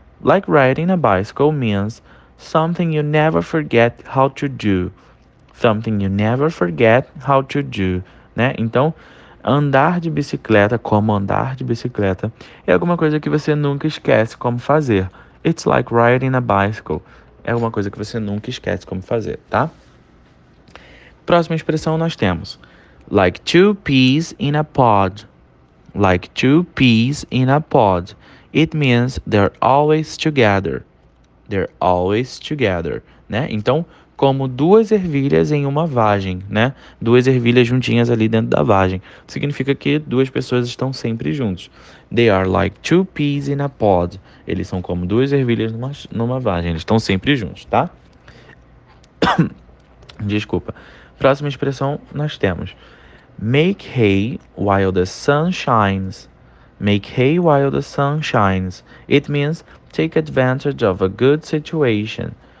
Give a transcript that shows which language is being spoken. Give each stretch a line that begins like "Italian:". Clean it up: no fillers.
English: Like riding a bicycle means something you never forget how to do. Something you never forget how to do, né?
Portuguese: Então, andar de bicicleta, como andar de bicicleta, é alguma coisa que você nunca esquece como fazer.
English: It's like riding a bicycle.
Portuguese: É alguma coisa que você nunca esquece como fazer, tá? Próxima expressão nós temos.
English: Like two peas in a pod. Like two peas in a pod. It means they're always together. They're always together, né?
Portuguese: Então, como duas ervilhas em uma vagem, né? Duas ervilhas juntinhas ali dentro da vagem. Significa que duas pessoas estão sempre juntas.
English: They are like two peas in a pod.
Portuguese: Eles são como duas ervilhas numa vagem. Eles estão sempre juntos, tá? Desculpa. Próxima expressão nós temos:
English: make hay while the sun shines. Make hay while the sun shines. It means take advantage of a good situation.